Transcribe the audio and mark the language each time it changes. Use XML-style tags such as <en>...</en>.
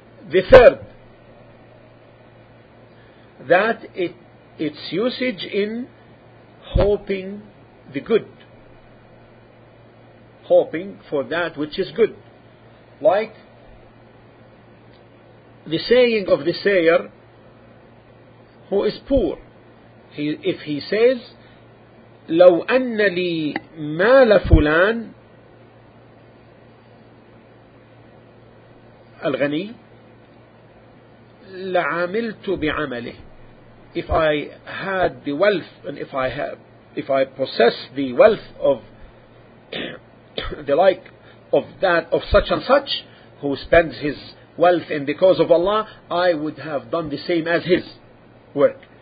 <en>The third, that its usage in hoping the good, hoping for that which is good, like the saying of the sayer who is poor. If he says,</en> <ar>لو أن لي مال فلان الغني لعملت بعمله.</ar> <en>If I had the wealth, and if I possessed the wealth of the like of that of such and such who spends his wealth in the cause of Allah, I would have done the same as his work.</en>